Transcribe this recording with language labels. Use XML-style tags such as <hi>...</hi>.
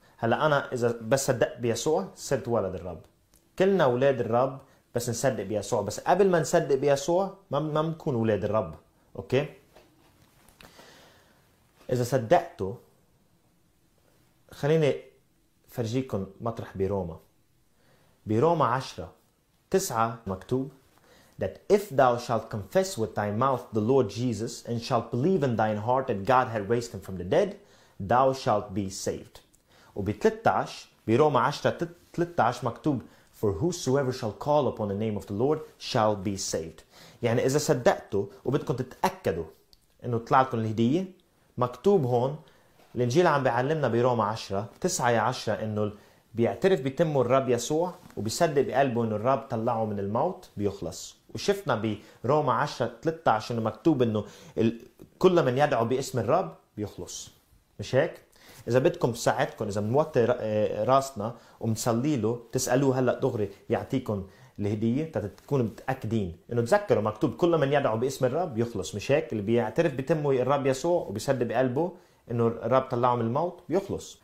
<ar>هلا انا اذا بس صدقت بيسوع صرت ولد الرب. كلنا اولاد الرب بس نصدق بيسوع، بس قبل ما نصدق بيسوع ما بنكون اولاد الرب، اوكي؟ اذا صدقته خليني فرجيكم مطرح بروما. بروما 10:9 مكتوب</ar> <en>that if thou shalt confess with thy mouth the Lord Jesus and shalt believe in thine heart that God had raised him from the dead, thou shalt be saved.</en> <ar>وبتلتعش بروما 10:13 مكتوب</ar> <en>for whosoever shall call upon the name of the Lord shall be saved.</en> <ar>يعني إذا صدقتوا وبدكم تتأكدوا إنه طلعتكم الهدية، مكتوب هون الإنجيل عم بيعلمنا بروما 10:9 إنه بيعترف بيتم الرب يسوع وبيصدق بقلبه إنه الرب طلعه من الموت بيخلص. وشفنا بروما 10:13 إنه مكتوب إنه كل من يدعو باسم الرب بيخلص، مش هيك؟ إذا بدكم بساعدكم، إذا منوطي راسنا ومنصلي له تسألوه هلأ دغري يعطيكم الهدية تتكونوا متأكدين إنه تذكروا مكتوب كل من يدعو باسم الرب يخلص، مش هيك؟ اللي بيعترف بتمه الرب يسوع وبيصدق بقلبه إنه الرب طلعه من الموت بيخلص.</ar>